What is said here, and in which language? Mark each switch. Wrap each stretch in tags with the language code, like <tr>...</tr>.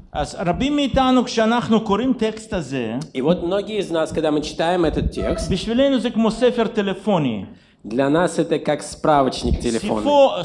<he>אז רבים מאיתנו כשאנחנו קוראים טקסט הזה,</he> <ru>и вот многие из нас, когда мы читаем этот текст,</ru> <he>בשבילנו זה כמו ספר טלפוני.</he> <ru>Для нас это как справочник телефонный.</ru>